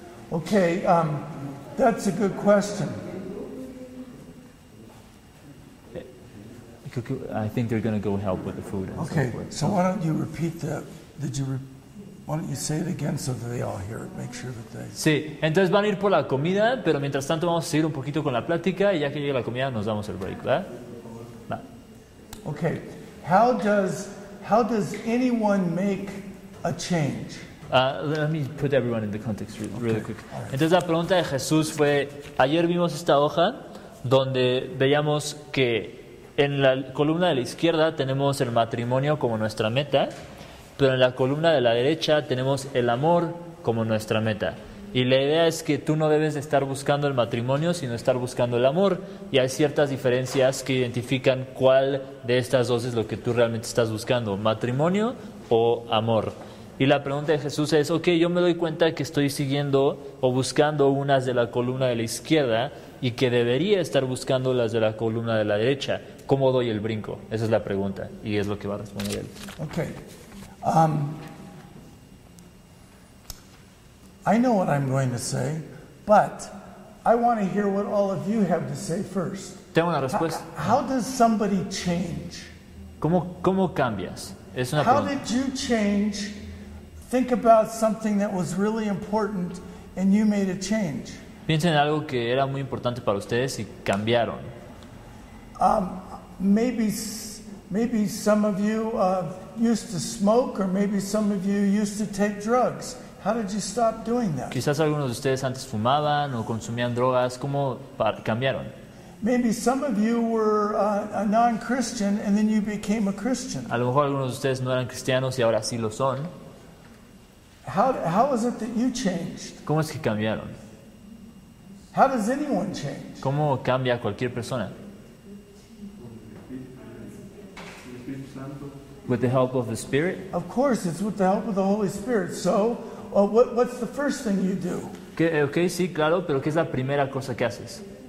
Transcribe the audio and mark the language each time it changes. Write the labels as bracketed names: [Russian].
[English] Okay, that's a good question. I think they're going to go help with the food. And okay, so why don't you repeat that? Why don't you say it again so that they all hear it? Make sure that they. [Spanish] Sí. Entonces van a ir por la comida, pero mientras tanto vamos a seguir un poquito con la plática y ya que llegue la comida nos damos el break, ¿verdad? Va. [English] Okay. How does anyone make a change? Let me put everyone in the context really quick. Right. [Spanish] Entonces la pregunta de Jesús fue: ayer vimos esta hoja donde veíamos que en la columna de la izquierda tenemos el matrimonio como nuestra meta. Pero en la columna de la derecha tenemos el amor como nuestra meta. Y la idea es que tú no debes estar buscando el matrimonio, sino estar buscando el amor. Y hay ciertas diferencias que identifican cuál de estas dos es lo que tú realmente estás buscando, matrimonio o amor. Y la pregunta de Jesús es, ok, yo me doy cuenta que estoy siguiendo o buscando unas de la columna de la izquierda y que debería estar buscando las de la columna de la derecha. ¿Cómo doy el brinco? Esa es la pregunta y es lo que va a responder él. [English] Ok. I know what I'm going to say, but I want to hear what all of you have to say first. [Spanish] Tengo una respuesta. [English] How does somebody change? [Spanish] ¿Cómo cambias? Es una [English] How [Spanish] pregunta. [English] Did you change? Think about something that was really important and you made a change. [Spanish] Piensen en algo que era muy importante para ustedes y cambiaron. [English] Maybe some of you used to smoke, or maybe some of you used to take drugs. How did you stop doing that? [Spanish] Quizás algunos de ustedes antes fumaban o consumían drogas. ¿Cómo cambiaron? [English] Maybe some of you were a non-Christian and then you became a Christian. [Spanish] A lo mejor algunos de ustedes no eran cristianos y ahora sí lo son. [English] How is it that you changed? [Spanish] ¿Cómo es que cambiaron? [English] How does anyone change? [Spanish] ¿Cómo cambia cualquier persona? [English] With the help of the Spirit? Of course, it's with the help of the Holy Spirit. So, what's the first thing you do? [Spanish] Okay, sí, claro, pero ¿qué es la primera cosa que haces?